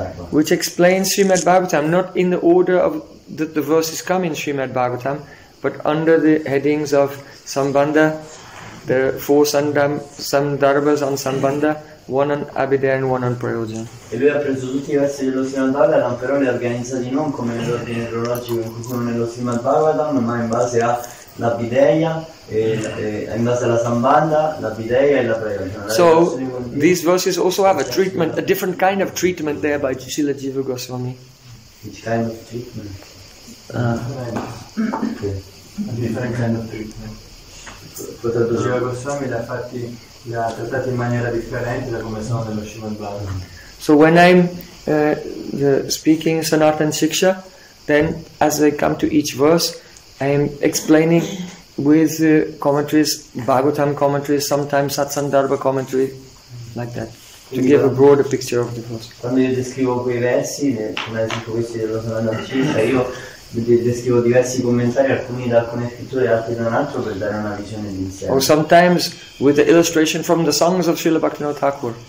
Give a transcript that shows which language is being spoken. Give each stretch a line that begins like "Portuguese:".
English: Which explains Srimad Bhagavatam not in the order of that the verses come in Srimad Bhagavatam, but under the headings of Sambandha, the 4 sandarbhas on Sambandha, 1 on Abhidha and 1 on Prayojan.
Italian: E lui ha preso tutti i versi dello Srimad Bhagavatam, però li ha organizzati non come nell'ordine cronologico in cui sono nello Srimad Bhagavatam, ma in base a la Videya, in base alla Sambandha, la Videya e la Prayojana.
English: So, these verses also have a treatment, a different kind of treatment there by Srila Jiva Goswami. Which kind of treatment? Okay. A different kind of treatment.
Italian: Jiva Goswami l'ha fatti, l'ha trattati in maniera differente da come sono nello Srimad Bhagavatam.
English: So, when I'm speaking Sanatana Shiksha, then as I come to each verse, I am explaining with commentaries, Bhagavatam commentaries, sometimes Satsandarbha commentary, like that, to give a broader picture of the verse.
Italian: Quando io descrivo quei versi, come esempio questi dello Sanatana, io descrivo diversi commentari, alcuni da alcune scritture e altri da un altro, per dare una visione d'insieme.
English: Or sometimes with the illustration from the songs of Srila Bhaktivinoda Thakur.